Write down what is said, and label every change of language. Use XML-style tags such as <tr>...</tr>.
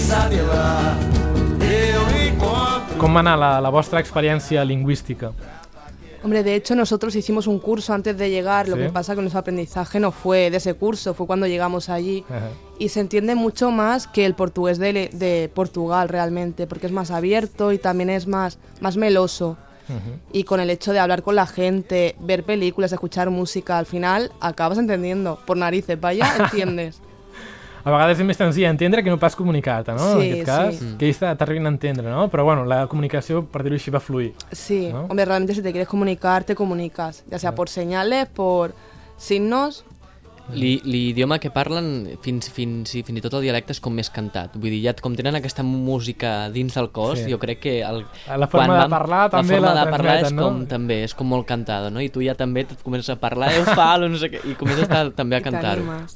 <ca>Com va anar la vostra experiència lingüística?</ca> <es>Hombre, de hecho, nosotros hicimos un curso antes de llegar, lo que pasa que nuestro aprendizaje no fue de ese curso, fue cuando llegamos allí. Y se entiende mucho más que el portugués de Portugal, realmente, porque es más abierto y también es más meloso. Y con el hecho de hablar con la gente, ver películas, escuchar música, al final acabas entendiendo, por narices, vaya, entiendes.</es> <ca>A vegades és més senzill entendre que no pas comunicar-te, no? Sí, en aquest cas, que ells t'arribin a entendre, no? Però bueno, la comunicació, per dir-ho així, va fluir. Sí, no?</ca> <es>Hombre, realmente si te quieres comunicar, te comunicas, ya sea por señales, por signos...</es> <ca>L'idioma que parlen, fins i tot el dialecte, és com més cantat. Vull dir, ja com tenen aquesta música dins del cos, jo crec que... La forma de parlar també és com molt cantada, no? I tu ja també et comences a parlar, fal, no sé què, i comences també a cantar-ho.</ca>